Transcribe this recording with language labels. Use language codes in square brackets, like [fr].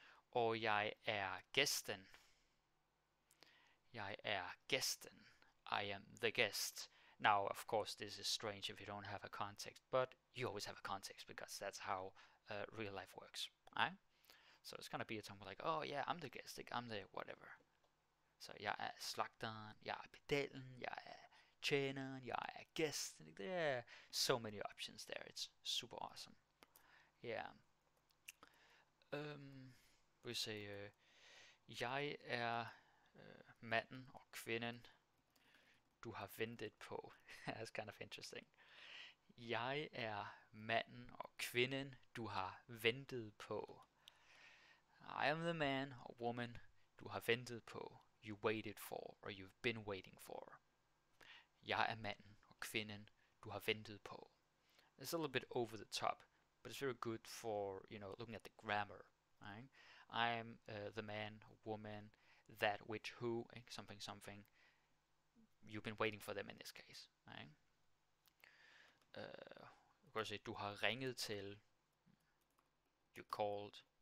[da] Og jeg er gæsten. Jeg er gæsten. [en] I am the guest. Now, of course, this is strange if you don't have a context, but you always have a context because that's how real life works, right? So it's gonna be a time where like, oh yeah, I'm the guest, like, I'm the whatever. [da] So jeg er slagteren, jeg er pedellen, jeg er tjeneren, jeg er gæsten. [en] There are so many options there. It's super awesome. Yeah. We say, [da] jeg er manden og kvinden. Du har ventet på. [en] That's kind of interesting. [da] Jeg er manden og kvinden, du har ventet på. [en] I am the man or woman [da] du har ventet på. [en] You waited for or you've been waiting for. [da] Jeg er manden og kvinden, du har ventet på. [en] It's a little bit over the top, but it's very good for, you know, looking at the grammar, right? I'm the man or woman that which who something something. You've been waiting for them in this case, right? Of course, [da] du har ringet til. [en] You called.